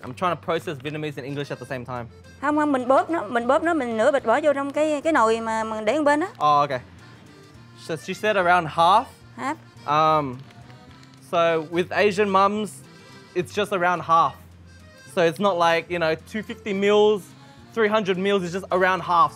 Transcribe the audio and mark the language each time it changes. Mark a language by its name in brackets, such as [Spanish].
[English] I'm trying to process Vietnamese and English at the same time. [Vietnamese] Không không, mình bóp nó, mình nửa bịch bỏ vô trong cái nồi mà mình để bên đó. [English] Oh okay. So she said around half. Half. So with Asian mums, it's just around half. So it's not like, you know, 250 mils, 300 mils, it's just around half.